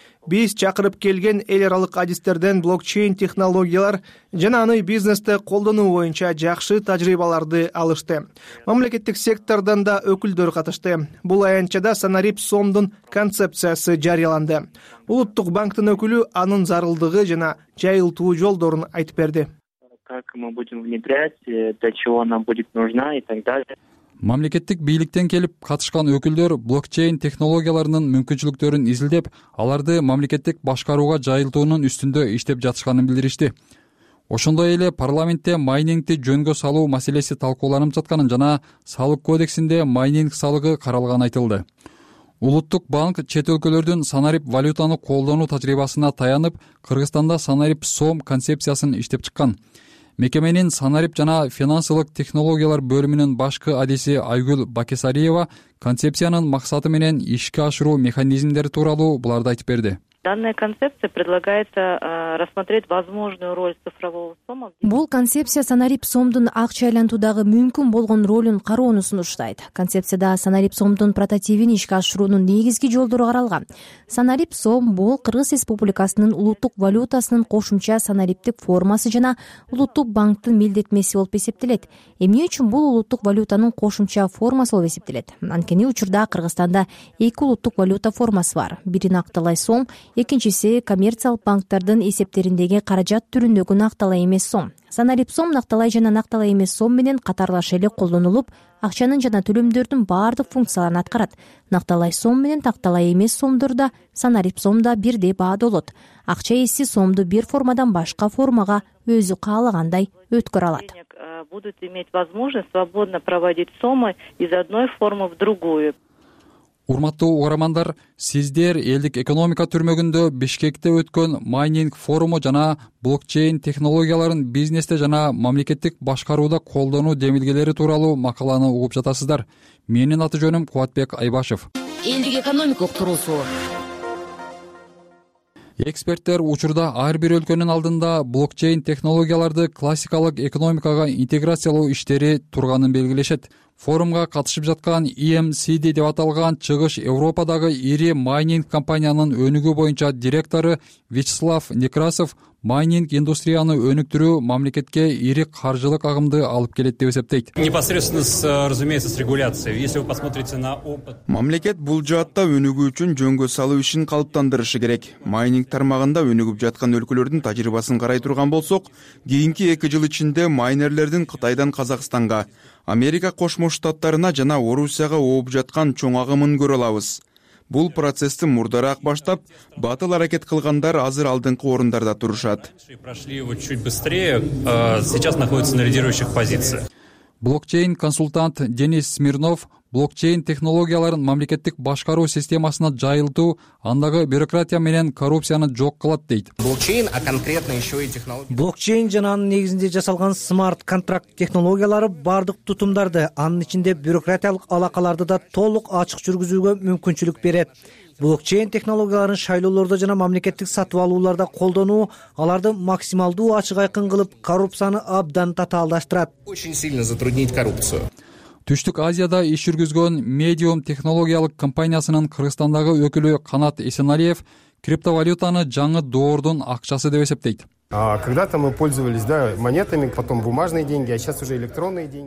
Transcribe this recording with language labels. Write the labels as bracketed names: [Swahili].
[Kyrgyz] Биз чакырып келген эл аралык адистерден блокчейн технологиялар жана аны бизнесте колдонуу боюнча жакшы тажрыйбаларды алышты. Мамлекеттик сектордон да өкүлдөр катышты. Бул аянтчада Санарип сомдун концепциясы жарыяланды. Улуттук банктын өкүлү анын зарылдыгы жана жайылтуу жолдорун айтып берди. [Russian] Как мы будем внедрять, для чего она будет нужна и так далее. [Kyrgyz] Мамлекеттик бийликтен келип катышкан өкүлдөр блокчейн технологияларынын мүмкүнчүлүктөрүн изилдеп, аларды мамлекеттик башкарууга жайылтуунун үстүндө иштеп жатышканын билдиришти. Ошондой эле парламентте майнингди жөнгө салуу маселеси талкууланып жатканын жана салык кодексинде майнинг салыгы каралганы айтылды. Улуттук банк чет өлкөлөрдүн Санарип валютаны колдонуу тажрыйбасына таянып, Кыргызстанда Санарип сом концепциясын иштеп чыккан. Мекеменин Санарип жана финансылык технологиялар бөлүмүнүн башкы адиси Айгүл Бакесариева концепциянын максаты менен ишке ашыруу механизмдери тууралуу буларды айтып берди. [Russian] Данная концепция предлагает рассмотреть возможную роль цифрового сома. [Kyrgyz] Бул концепция Санарип сомдун акча айлантуудагы мүмкүн болгон ролун кароону сунуштайт. Концепцияда Санарип сомдун прототипин ишке ашыруунун негизги жолдору каралган. Санарип сом бул Кыргыз Республикасынын улуттук валютасынын кошумча санариптик формасы жана улуттук банктын милдетмеси болуп эсептелет. Эмне үчүн бул улуттук валютанын кошумча формасы болуп эсептелет? Анткени учурда Кыргызстанда 2 улуттук валюта формасы бар. Бирин акталай сом, экинчиси коммерциялык банктардын эсептериндеги каражат түрүндөгү акталай эмес сом. Санарип сом акталай жана акталай эмес сом менен катарлаш эле колдонулуп, акчанын жана төлөмдөрдүн баардык функцияларын аткарат. Акталай сом менен акталай эмес сомдор да Санарип сомдо бирдей баадалат. Акча ээси сомду бир формадан башка формага өзү каалагандай өткөрө алат. [Russian] Будут иметь возможность свободно проводить сомы из одной формы в другую. [Kyrgyz] Урматтуу угармандар, сиздер элдик экономика түрмөгүндө Бишкекте өткөн майнинг форуму жана блокчейн технологияларын бизнесте жана мамлекеттик башкарууда колдонуу демилгелери тууралуу макаланы угуп жатасыздар. Менин аты жөнүм Кубатбек Айбашев. Элдик экономика уктуруусу. Эксперттер учурда ар бир өлкөнүн алдында блокчейн технологияларды классикалык экономикага интеграциялоо иштери турганын белгилешет. Форумга катышып жаткан EMCD деп аталган чыгыш Европадагы ири майнинг компаниянын өнүгүү боюнча директору Вячеслав Некрасов майнинг индустрияны өнүктүрүү мамлекетке ири каржылык агымды алып келет деп эсептейт. [Russian] Непосредственно, разумеется, с регуляцией. Если вы посмотрите на опыт. [Kyrgyz] Мамлекет бул жаатта өнүгүү үчүн жөнгө салуу ишин калыптандырышы керек. Майнинг тармагында өнүгүп жаткан өлкөлөрдүн тажрыйбасын карай турган болсок, кийинки 2 жыл ичинде майнерлердин Кытайдан Казакстанга, Америка Кошмо Штаттарына жана Орусияга ооп жаткан чоң агымын көрө алабыз. Бул процессти мурдараак баштап, батыл аракет кылгандар азыр алдыңкы орундарда турушат. Блокчейн консультант Денис Смирнов блокчейн технологияларын мамлекеттик башкаруу системасына жайылтуу, андагы бюрократия менен коррупцияны жок кылат дейт. [Russian] Блокчейн, а конкретно еще и технология. [Kyrgyz] Блокчейн жана анын негизинде жасалган смарт-контракт технологиялары бардык тутумдарды, анын ичинде бюрократиялык алакаларды да толук ачык жүргүзүүгө мүмкүнчүлүк берет. Блокчейн технологияларын шайлоолордо жана мамлекеттик сатып алууларда колдонуу аларды максималдуу ачык айкын кылып, коррупцияны абдан татаалдаштырат. [Russian] Очень сильно затруднить коррупцию. [Kyrgyz] Түштүк Азияда иш жүргүзгөн Medium технологиялык компаниясынын Кыргызстандагы өкүлү Канат Эсеналиев криптовалютаны жаңы доордун акчасы деп эсептейт. [Russian] Когда-то мы пользовались, да, монетами, потом бумажные деньги, а сейчас уже электронные деньги.